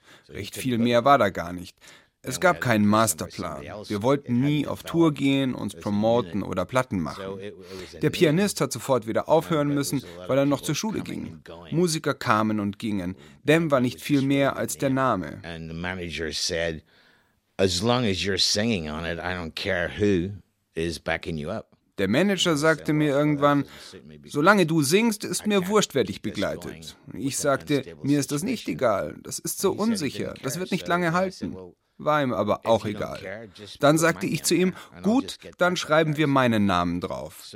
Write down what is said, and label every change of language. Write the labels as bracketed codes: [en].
[de] Recht viel mehr war da gar nicht. Es gab keinen Masterplan. Wir wollten nie auf Tour gehen, uns promoten oder Platten machen. Der Pianist hat sofort wieder aufhören müssen, weil er noch zur Schule ging. Musiker kamen und gingen. Them war nicht viel mehr als der Name. [en] And the manager said, as long as you're singing on it, I don't care who is backing you up. [de] Der Manager sagte mir irgendwann, solange du singst, ist mir wurscht, wer dich begleitet. Ich sagte, mir ist das nicht egal, das ist so unsicher, das wird nicht lange halten. War ihm aber auch egal. Dann sagte ich zu ihm, gut, dann schreiben wir meinen Namen drauf.